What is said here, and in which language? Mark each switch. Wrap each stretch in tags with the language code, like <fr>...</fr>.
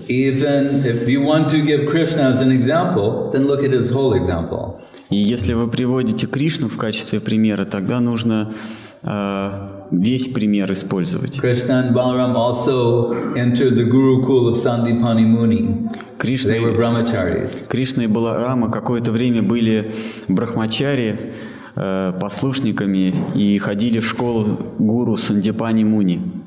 <en>Even if you want to give Krishna as an example, then look at his whole example.</en> <ru>И если вы приводите Кришну в качестве примера, тогда нужно весь пример использовать.</ru> <en>Krishna and Balaram also entered the Gurukul of Sandipani Muni. They were brahmacharis.</en> <ru>Кришна и Баларама какое-то время были брахмачари, послушниками и ходили в школу гуру Сандипани Муни.</ru>